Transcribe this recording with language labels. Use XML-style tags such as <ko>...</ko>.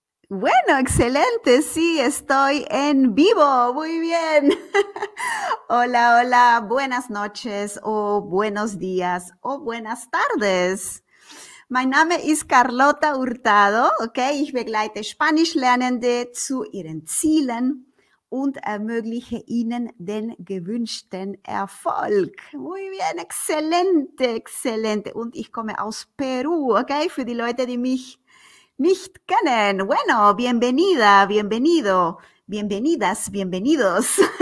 <es>Bueno, excelente, sí, estoy en vivo, muy bien. Hola, hola, buenas noches o buenos días o buenas tardes.</es> <en>My name is Carlota Hurtado, okay?</en> <de>Ich begleite Spanischlernende zu ihren Zielen und ermögliche ihnen den gewünschten Erfolg.</de> <es>Muy bien, excelente, excelente.</es> <de>Und ich komme aus Peru, okay? Für die Leute, die mich nicht kennen.</de> <es>Bueno, bienvenida, bienvenido, bienvenidas, bienvenidos.</es>